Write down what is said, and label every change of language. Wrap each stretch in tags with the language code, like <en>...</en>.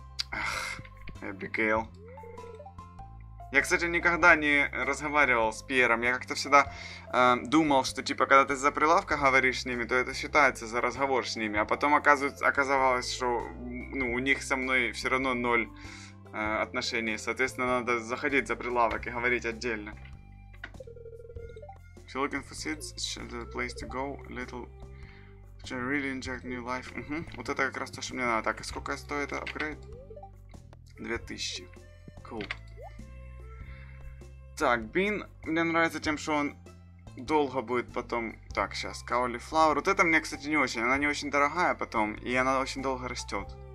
<ru>Ах, Эбигейл. Я, кстати, никогда не разговаривал с Пьером. Я как-то всегда думал, что, типа, когда ты за прилавка говоришь с ними, то это считается за разговор с ними. А потом оказалось, что ну, у них со мной все равно ноль отношений. Соответственно, надо заходить за прилавок и говорить отдельно.</ru> <en>If you're looking for seeds, the place to go, little... To really inject new life. Uh-huh.</en> <ru>Вот это как раз то, что мне надо. Так, и сколько стоит апгрейд?</ru> <en>2000. Cool.</en> <ru>Так, бин мне нравится тем, что он долго будет потом... Так, сейчас, каулифлауэр. Вот это мне, кстати, не очень. Она не очень дорогая потом, и она очень долго растет.</ru>